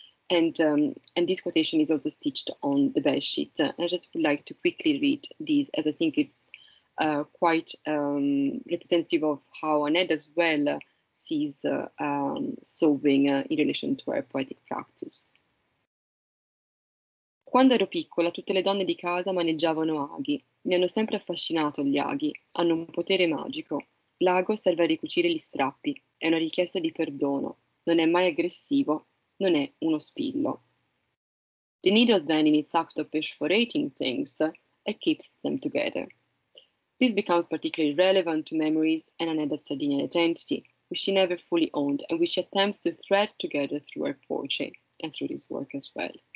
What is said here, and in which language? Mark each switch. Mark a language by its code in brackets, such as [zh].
[en] And this quotation is also stitched on the bedsheet. And I just would like to quickly read this, as I think it's quite representative of how Aneda as well sees sewing in relation to her poetic practice. [it] Quando ero piccola, tutte le donne di casa maneggiavano aghi. Mi hanno sempre affascinato gli aghi. Hanno un potere magico. L'ago serve a ricucire gli strappi. È una richiesta di perdono. Non è mai aggressivo. Non è uno spillo. [en] The needle then, in its act of perforating things, it keeps them together. This becomes particularly relevant to memories and Aneda's Sardinian identity, which she never fully owned and which she attempts to thread together through her poetry and through this work as well.